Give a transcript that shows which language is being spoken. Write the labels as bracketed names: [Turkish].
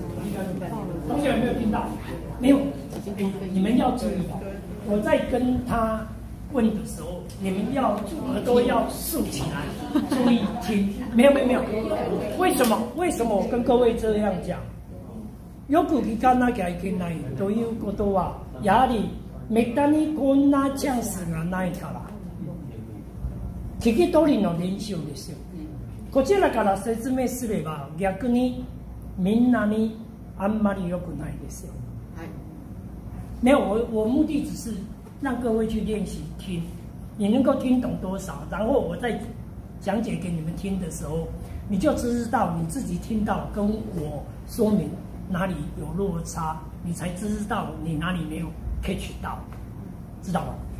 [Chinese] 我应该办。同学有没有听到？没有。你们要注意，我在跟他问的时候，你们要耳朵要竖起来，注意听。没有，没有，没有。为什么？为什么我跟各位这样讲？ [Japanese] よく聞かなきゃいけないということは、やはりめったにこんなチャンスがないから、聞き取りの練習ですよ。こちらから説明すれば、逆にみんなにあんまり良くないですよ。 [Chinese] 没有，我目的只是让各位去练习听，你能够听懂多少，然后我在讲解给你们听的时候，你就知道你自己听到跟我说明。哪里有落差，你才知道你哪里没有 catch 到，知道吗？